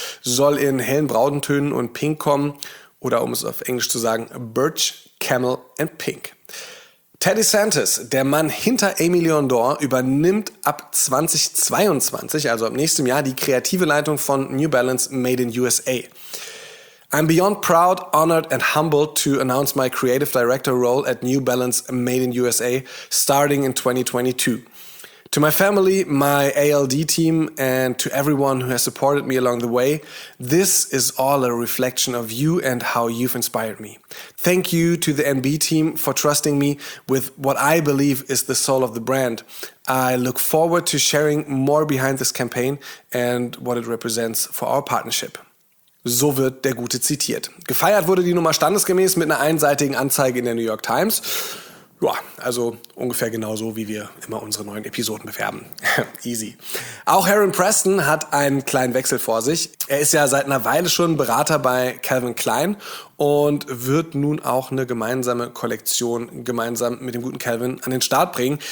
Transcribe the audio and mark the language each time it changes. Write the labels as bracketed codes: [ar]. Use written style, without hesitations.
[de] Soll in hellen Brautentönen und Pink kommen oder um es auf Englisch zu sagen, [en] Birch, Camel and Pink. [de] Teddy Santis, der Mann hinter Amy Leondor, übernimmt ab 2022, also ab nächstem Jahr, die kreative Leitung von New Balance Made in USA. [en] I'm beyond proud, honored and humbled to announce my creative director role at New Balance Made in USA starting in 2022. To my family, my ALD team and to everyone who has supported me along the way, this is all a reflection of you and how you've inspired me. Thank you to the NB team for trusting me with what I believe is the soul of the brand. I look forward to sharing more behind this campaign and what it represents for our partnership. [de] So wird der Gute zitiert. Gefeiert wurde die Nummer standesgemäß mit einer einseitigen Anzeige in der New York Times. Ja, also ungefähr genauso, wie wir immer unsere neuen Episoden bewerben. Easy. Auch Heron Preston hat einen kleinen Wechsel vor sich. Er ist ja seit einer Weile schon Berater bei Calvin Klein und wird nun auch eine gemeinsame Kollektion gemeinsam mit dem guten Calvin an den Start bringen.